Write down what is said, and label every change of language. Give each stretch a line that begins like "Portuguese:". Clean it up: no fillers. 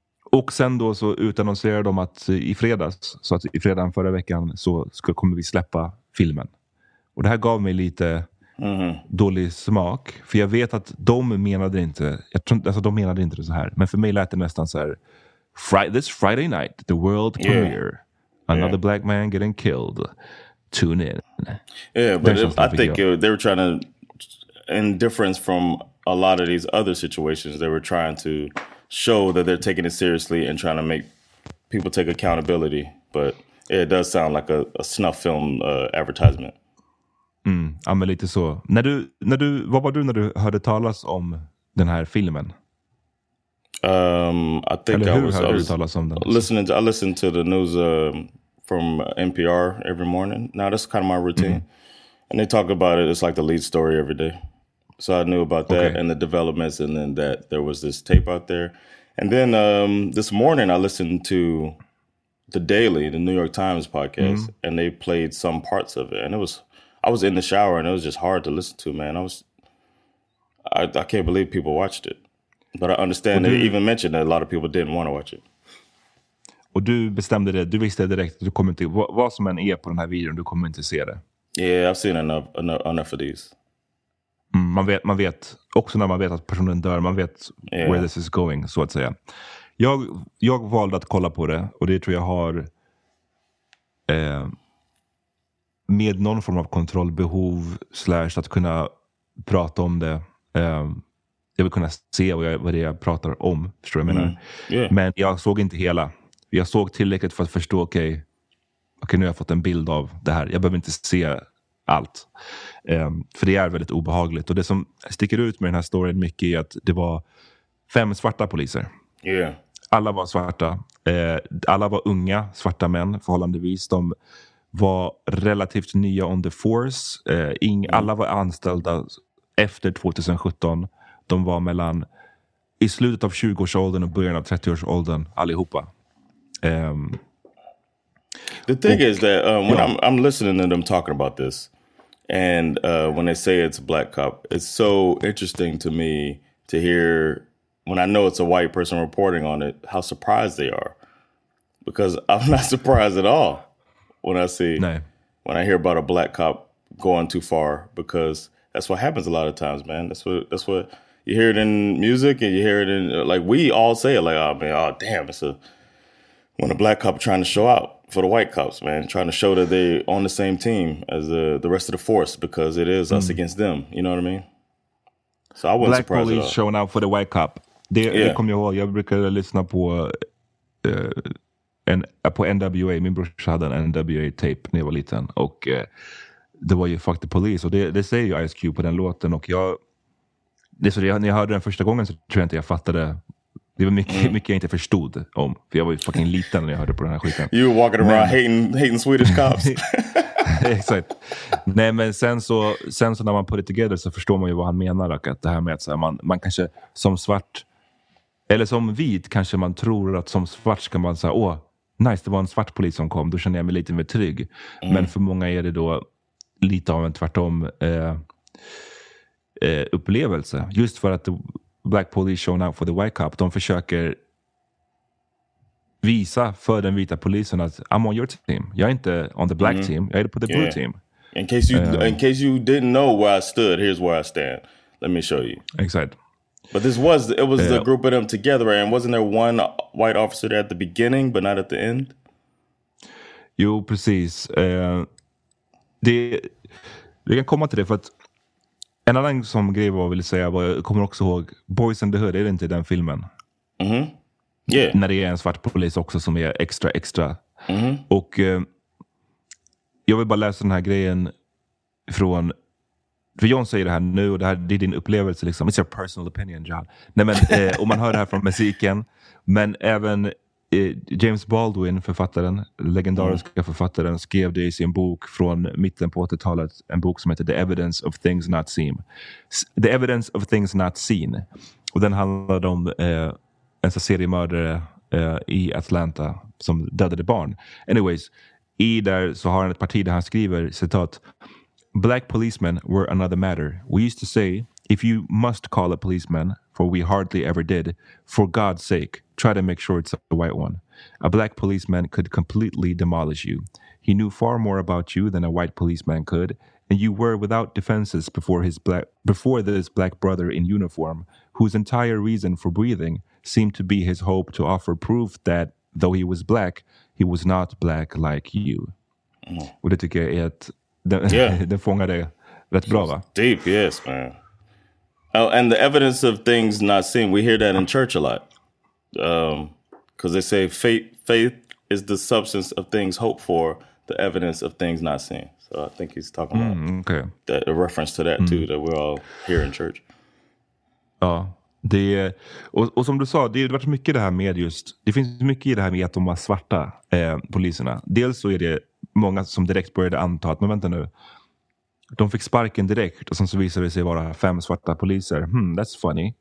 Swedish: Och sen då så utannonserade de att i fredagen förra veckan så kommer vi släppa filmen. Och det här gav mig lite dålig smak. För jag vet att de menade inte, de menade inte det så här. Men för mig lät det nästan så här,
English: this Friday night, the world premiere, another black man getting killed, tune in. Yeah, but they were trying to, in difference from a lot of these other situations, they were trying to show that they're taking it seriously and trying to make people take accountability. But it does sound like a snuff film advertisement.
Swedish: Mm, ja, men lite så. Vad var du när du hörde talas om den här filmen?
English: I think
Swedish: eller
English: I
Swedish: hur
English: was,
Swedish: hörde
English: I was
Swedish: du talas om den?
English: I listened to the news from NPR every morning. Now that's kind of my routine. Mm-hmm. And they talk about it, it's like the lead story every day. So I knew about that and the developments, and then that there was this tape out there. And then this morning I listened to The Daily, the New York Times podcast, and they played some parts of it. And I was in the shower and it was just hard to listen to, man. I can't believe people watched it. But I understand they even mentioned that a lot of people didn't want to watch it.
Swedish: Och du bestämde det, du visste direkt att du kommer inte, vad som än är på den här videon, du kommer inte se det.
English: Yeah, I've seen enough of these.
Swedish: Man vet, också när man vet att personen dör, man vet
English: where this is going,
Swedish: så att säga. Jag valde att kolla på det, och det tror jag har med någon form av kontrollbehov, slash att kunna prata om det. Jag vill kunna se vad jag pratar om, förstår jag menar.
English: Yeah.
Swedish: Men jag såg inte hela. Jag såg tillräckligt för att förstå, okej, okej, nu har jag fått en bild av det här. Jag behöver inte se allt. För det är väldigt obehagligt. Och det som sticker ut med den här storyn mycket är att det var 5 svarta poliser. Yeah. Alla var svarta. Alla var unga svarta män förhållandevis. De var relativt nya
English: on the force.
Swedish: Alla var anställda efter 2017. De var mellan i slutet av 20-årsåldern och början av 30-årsåldern allihopa.
English: The thing is that when I'm listening to them talking about this, and when they say it's a black cop, it's so interesting to me to hear, when I know it's a white person reporting on it, how surprised they are. Because I'm not surprised at all when I see, when I hear about a black cop going too far, because that's what happens a lot of times, man. That's what you hear it in music, and you hear it in, like, we all say it, like, oh, man, oh, damn, it's a, when a black cop trying to show out for the white cops, man, trying to show that they on the same team as the rest of the force, because it is us against them, you know what I mean? So I wasn't surprised at all. Black police showing out for the white cop.
Swedish: Det kommer jag ihåg, jag brukade lyssna på NWA, min brorsa hade en NWA-tape när jag var liten, och det var ju Fuck the Police, och det säger ju Ice Cube på den låten, och jag, det, så det, när jag hörde den första gången så tror jag inte jag fattade, det var mycket jag inte förstod om, för jag var ju fucking liten när jag hörde på den här skiten.
English: You were walking around hating Swedish cops.
Swedish: Exakt. Nej, men sen så när man
English: put it together
Swedish: så förstår man ju vad han menar, och att det här med att så här, man kanske som svart, eller som vit, kanske man tror att som svart ska man säga, åh, nice, det var en svart polis som kom, då känner jag mig lite mer trygg. Mm. Men för många är det då lite av en tvärtom upplevelse. Just för att
English: black police showing up for the white cop,
Swedish: de försöker visa för den vita polisen att
English: I'm on your team.
Swedish: Jag är inte
English: on the black team,
Swedish: jag är på
English: the blue team. In case you didn't know where I stood, here's where I stand. Let me show you. Exactly. But this was, it was the group of them together, and wasn't there one white officer there at the beginning, but not at the end?
Swedish: Jo, precis. Vi kan komma till det, för att en annan som grej jag ville säga, jag kommer också ihåg, Boys in the Hood, är det inte i den filmen?
English: Mm-hmm. Yeah.
Swedish: När det är en svart polis också som är extra, extra. Mm-hmm. Och jag vill bara läsa den här grejen från, för John säger det här nu, och det är din upplevelse liksom.
English: It's your personal opinion, John.
Swedish: Nej, men, och man hör det här från musiken. Men även James Baldwin, författaren, legendariska författaren, skrev det i sin bok från mitten på 80-talet. En bok som heter The Evidence of Things Not Seen. The Evidence of Things Not Seen. Och den handlade om en seriemördare i Atlanta som dödade barn. Anyways, i där så har han ett parti där han skriver, citat,
English: "Black policemen were another matter. We used to say, if you must call a policeman, for we hardly ever did, for God's sake, try to make sure it's a white one. A black policeman could completely demolish you. He knew far more about you than a white policeman could, and you were without defenses before this black brother in uniform, whose entire reason for breathing seemed to be his hope to offer proof that, though he was black, he was not black like you." Mm.
Swedish: Och det tycker jag är att den fångar det rätt bra, va?
English: Deep, yes, man. Oh, and the evidence of things not seen, we hear that in church a lot. Because they say faith is the substance of things hoped for, the evidence of things not seen. So I think he's talking about that, a reference to that too, that we're all here in church.
Swedish: Ja, det är, och som du sa, det har varit mycket det här med just, det finns mycket i det här med att de var svarta poliserna. Dels så är det många som direkt började anta att, men vänta nu, de fick sparken direkt, och sen så visade det sig vara 5 svarta poliser. Hmm,
English: that's funny.